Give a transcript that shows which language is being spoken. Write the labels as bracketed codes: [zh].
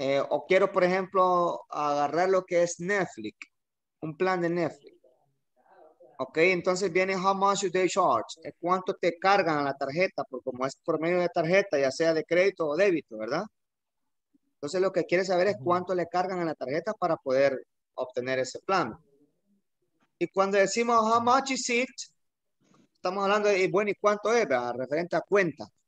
[es] O quiero, por ejemplo, agarrar lo que es Netflix, un plan de Netflix. Ok, entonces viene [en] how much do they charge. [es] ¿Cuánto te cargan a la tarjeta? Porque como es por medio de tarjeta, ya sea de crédito o débito, ¿verdad? Entonces lo que quiere saber es cuánto le cargan a la tarjeta para poder obtener ese plan. Y cuando decimos [en] how much is it, [es] estamos hablando de, bueno, ¿y cuánto es? ¿Verdad? Referente a cuenta.